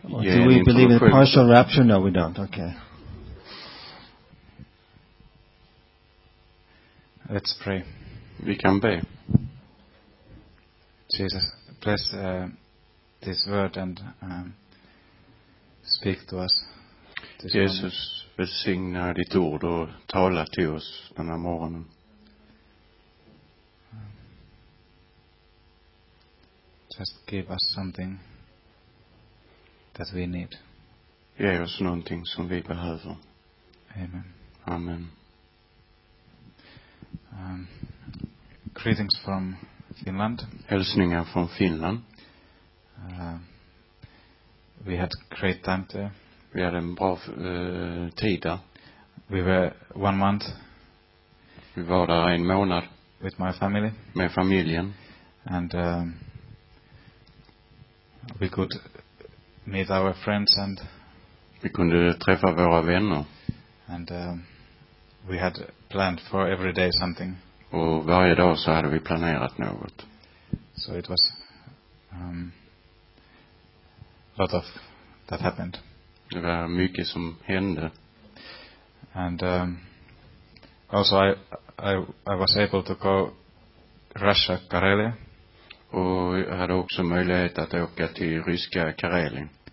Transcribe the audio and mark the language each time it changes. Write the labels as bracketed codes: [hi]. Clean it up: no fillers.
[en] Do we believe in partial rapture? No, we don't. Okay. Let's pray. We can pray. Jesus, bless this word and speak to us. [sv] Jesus, välsigna ditt ord och tala till oss den här morgonen. [en] Just give us something that we need. [sv] Ge oss någonting som vi behöver. [en] Amen. Amen. Greetings from Finland. [sv] Hälsningar från Finland. [en] We had great time there. [sv] Vi hade en bra tid där. [en] We were 1 month. [sv] Vi var där en månad. [en] With my family. [sv] Med familjen. [en] And we could meet our friends and. [sv] Vi kunde träffa våra vänner. [en] And we had planned for every day something. [sv] Och varje dag så hade vi planerat något. [en] So it was lot of that happened. [sv] Det var mycket som hände. [en] And also I was able to go Russia Karelia. [sv] Och jag hade också möjlighet att åka till ryska Karelien.